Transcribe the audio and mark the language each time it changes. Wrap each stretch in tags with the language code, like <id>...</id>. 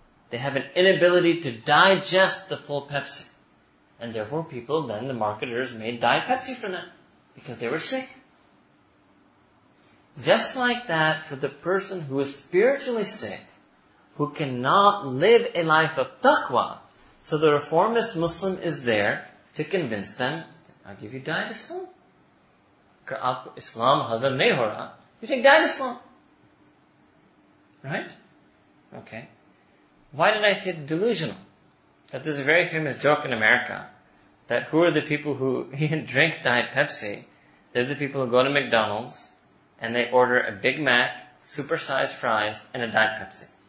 <en>They have an inability to digest the full Pepsi. And therefore people, then the marketers, made Diet Pepsi for them, because they were sick. Just like that, for the person who is spiritually sick, who cannot live a life of taqwa, so the reformist Muslim is there to convince them, I'll give you Diet Islam.</en> <ur>اسلام ہضم نہیں ہو رہا۔</ur> <en>You take Diet Islam. Right? Okay. Why did I say it's delusional? That there's a very famous joke in America, that who are the people who drink Diet Pepsi? They're the people who go to McDonald's, and they order a Big Mac, supersized fries, and a Diet Pepsi.</en>